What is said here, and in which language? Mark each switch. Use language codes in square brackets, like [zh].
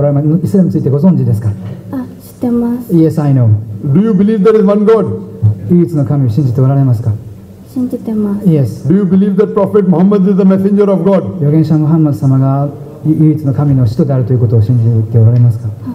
[ja] ご質問は、イスラムについて読んでこられました。イスラムについてご存知ですか? 知ってます。 [en] Yes, I know. Do you believe there is one God? [ja] 唯一の神を信じておられますか? 信じてます。 [en] Yes. Do you believe that Prophet Muhammad is the messenger of God? [ja] 預言者ムハンマド様が唯一の神の使徒であるということを信じておられますか?